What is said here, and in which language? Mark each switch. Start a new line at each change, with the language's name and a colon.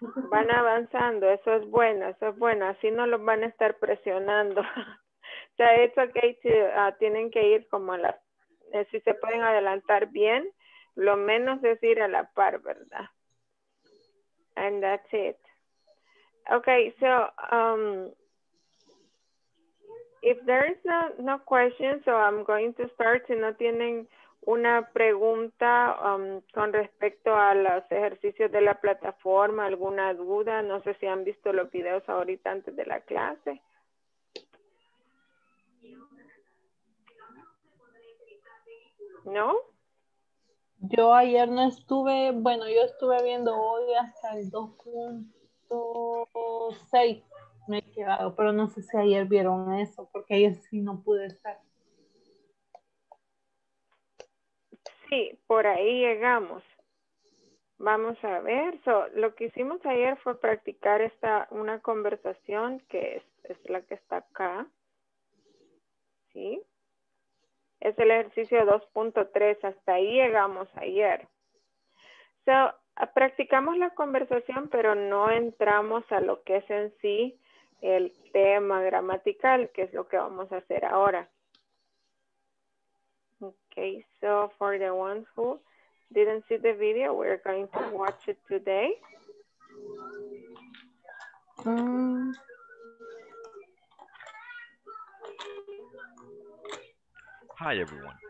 Spanish: Van avanzando, eso es bueno, eso es bueno. Así no los van a estar presionando. Ya es ok, tienen que ir como a la... si se pueden adelantar bien, lo menos es ir a la par, ¿verdad?
English: And that's it. Okay, so if there is no question, so I'm going to start.
Spanish: Si no tienen una pregunta con respecto a los ejercicios de la plataforma, alguna duda, no sé si han visto los videos ahorita antes de la clase. ¿No? Yo ayer no estuve, bueno, yo estuve viendo hoy hasta el 2.6, me he quedado, pero no sé si ayer vieron eso, porque ayer sí no pude estar. Sí, por ahí llegamos. Vamos a ver, so, lo que hicimos ayer fue practicar esta, una conversación que es la que está acá, ¿sí? Es el ejercicio 2.3. Hasta ahí llegamos ayer. So, practicamos la conversación, pero no entramos a lo que es en sí el tema gramatical, que es lo que vamos a hacer ahora.
English: Okay, so for the ones who didn't see the video, we're going to watch it today. Hi everyone.